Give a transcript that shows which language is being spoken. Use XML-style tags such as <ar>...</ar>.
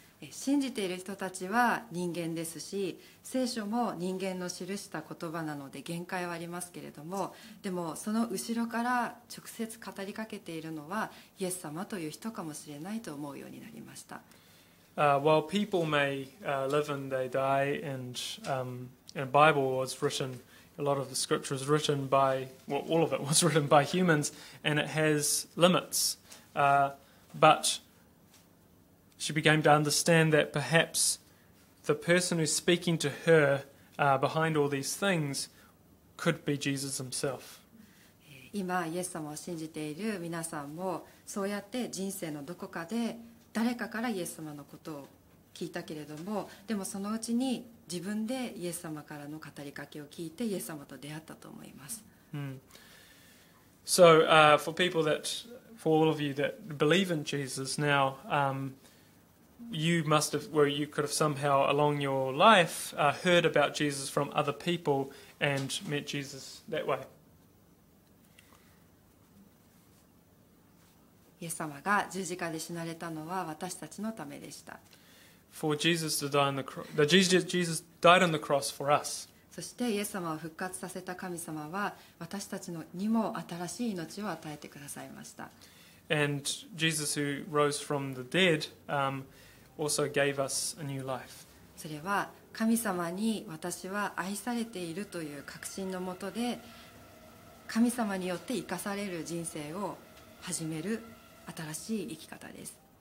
<ja>信じている人たちは人間ですし、聖書も人間の記した言葉なので限界はありますけれども、でもその後ろから直接語りかけているのはイエス様という人かもしれないと思うようになりました。</ja> <en>While people may live and they die, and Bible was written, a lot of the scripture was written by, well, all of it was written by humans, and it has limits. But She began to understand that perhaps the person who's speaking to her behind all these things could be Jesus himself.</en> <ja>今イエス様を信じている皆さんもそうやって人生のどこかで誰かからイエス様のことを聞いたけれども、でもそのうちに自分でイエス様からの語りかけを聞いてイエス様と出会ったと思います。</ja> <en>So for people that, for all of you that believe in Jesus now, You must have, where you could have somehow along your life heard about Jesus from other people and met Jesus that way.</en> <ja>イエス様が十字架で死なれたのは私たちのためでした。</ja> <en>For Jesus to die on the cross, Jesus died on the cross for us.</en> <ja>そしてイエス様を復活させた神様は私たちにも新しい命を与えてくださいました。</ja> <en>And Jesus who rose from the dead, also gave us a new life.</en> <ja>それは神様に私は愛されているという確信のもとで、神様によって生かされる人生を始める新しい生き方です。</ja>